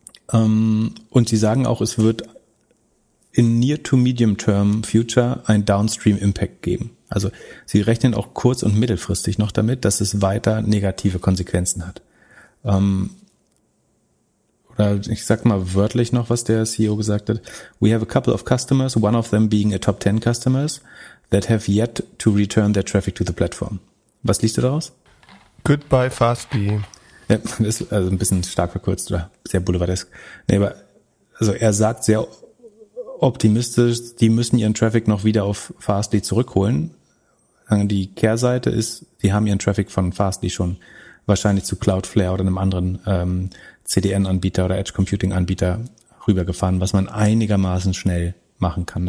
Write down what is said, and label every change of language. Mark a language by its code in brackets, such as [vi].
[de] Und sie sagen auch, es wird in [en] near to medium term future [de] ein downstream impact geben. Also sie rechnen auch kurz- und mittelfristig noch damit, dass es weiter negative Konsequenzen hat. Oder ich sag mal wörtlich noch, was der CEO gesagt hat. [en] We have a couple of customers, one of them being a top 10 customers, that have yet to return their traffic to the platform. [de] Was liest du daraus? [en] Goodbye, Fastly. [de] Ja, das ist also ein bisschen stark verkürzt oder sehr boulevardesk. Nee, aber also er sagt sehr optimistisch, die müssen ihren Traffic noch wieder auf Fastly zurückholen. Die Kehrseite ist, die haben ihren Traffic von Fastly schon wahrscheinlich zu Cloudflare oder einem anderen CDN-Anbieter oder Edge-Computing-Anbieter rübergefahren, was man einigermaßen schnell machen kann.